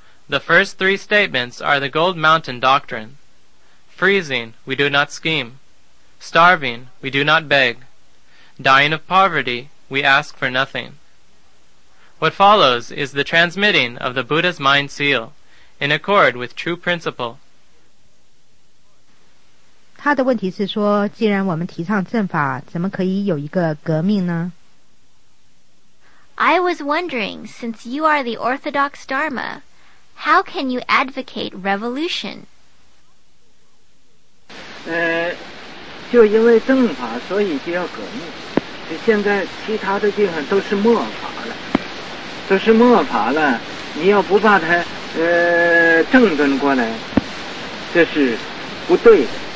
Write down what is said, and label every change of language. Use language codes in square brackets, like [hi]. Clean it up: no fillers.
[en] The first three statements are the Gold Mountain Doctrine. Freezing, we do not scheme. Starving, we do not beg. Dying of poverty, we ask for nothing. What follows is the transmitting of the Buddha's mind seal, in accord with true principle. [zh] 他的问题是说，既然我们提倡正法，怎么可以有一个革命呢？ [en] I was wondering, since you are the orthodox Dharma, how can you advocate revolution? [zh] 就因为正法，所以就要革命。现在其他的地方都是末法了，都是末法了。你要不把它正转过来，这是不对的。